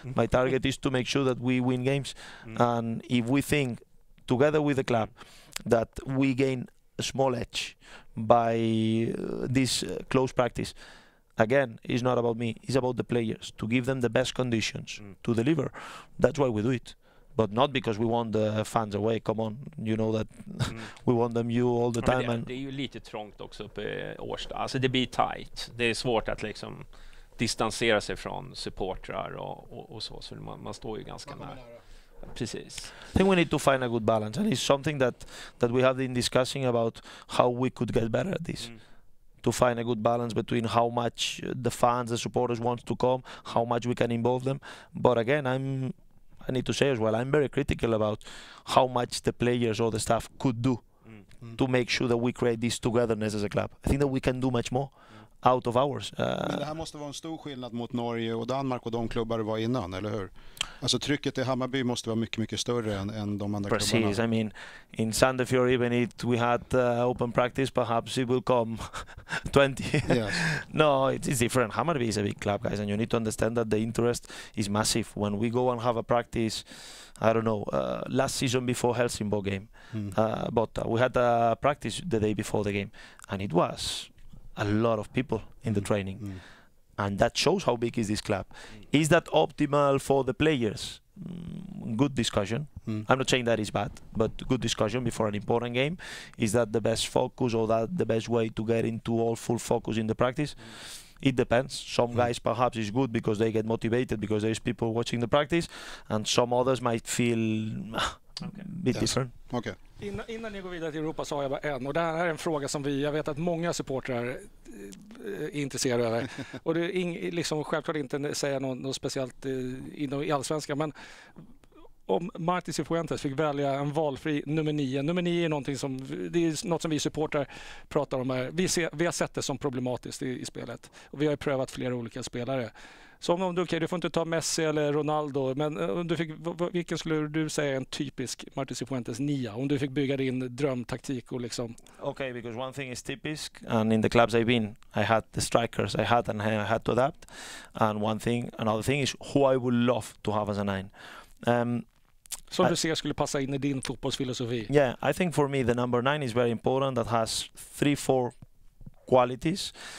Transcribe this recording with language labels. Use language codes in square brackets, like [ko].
[en] My target is to make sure that we win games. And if we think, together with the club, that we gain a small edge by this close practice. Again, it's not about me, it's about the players, to give them the best conditions to deliver. That's why we do it. But not because we want the fans away, come on, you know that we want them you all the time. [sv] Det är ju lite trångt också uppe i Årsta. Alltså det blir tight. Det är svårt att liksom distansera sig från supportrar och så. Så man står ju ganska nära. Precis. [en] I think we need to find a good balance, and it's something that we have been discussing about how we could get better at this. To find a good balance between how much the fans, the supporters want to come, how much we can involve them. But again, I need to say as well, I'm very critical about how much the players or the staff could do to make sure that we create this togetherness as a club. I think that we can do much more out of hours. [sv] Men det här måste vara en stor skillnad mot Norge och Danmark och de klubbar det var innan, eller hur? Alltså trycket i Hammarby måste vara mycket, mycket större än de andra precis, klubbarna. Precis, [en] I mean, in Sandefjord, even if we had open practice, perhaps it will come 20. No, it's different. Hammarby is a big club, guys, and you need to understand that the interest is massive. When we go and have a practice, I don't know, last season before Helsingborg game, but we had a practice the day before the game, and it was a lot of people in the training. And that shows how big is this club. Is that optimal for the players? Good discussion. I'm not saying that is bad, but good discussion before an important game. Is that the best focus, or that the best way to get into all full focus in the practice? It depends. Some guys perhaps is good because they get motivated because there's people watching the practice, and some others might feel a bit different. Okay. [sv] Innan ni går vidare till Europa så har jag bara en, och det här är en fråga som jag vet att många supportrar är intresserade över. Och det är liksom självklart inte säga något speciellt inom i allsvenskan, men om Marti Cifuentes fick välja en valfri nummer 9. Nummer 9 är någonting som det är något som vi supportrar pratar om här. Vi har sett det som problematiskt i spelet, och vi har ju prövat flera olika spelare. Så om du, okay, du får inte ta Messi eller Ronaldo, men du fick, vilken skulle du säga en typisk Marti Cifuentes nia, om du fick bygga din drömtaktik och liksom... [en] Okay, because one thing is typisk, and in the clubs I've been, I had the strikers I had, and I had to adapt. And one thing, another thing is who I would love to have as a nine. [sv] Som du ser skulle passa in i din fotbollsfilosofi. [en] Yeah, I think for me the number 9 is very important, that has 3-4 qualities.